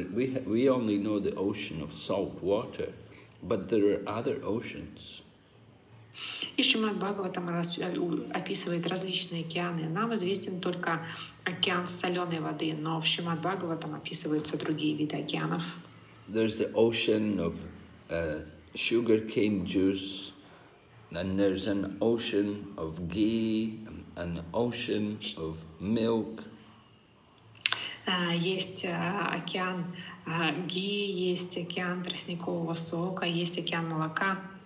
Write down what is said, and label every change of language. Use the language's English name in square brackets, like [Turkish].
[English] We only know the ocean of salt water, but there are other oceans. [Russian] И Шримад Бхагаватам описывает различные океаны. Нам известен только океан соленой воды, но в Шримад Бхагаватам описываются другие виды океанов. [English] There's the ocean of sugarcane juice, and there's an ocean of ghee, an ocean of milk. [Russian] Есть океан ги, есть океан тростникового сока, есть океан молока.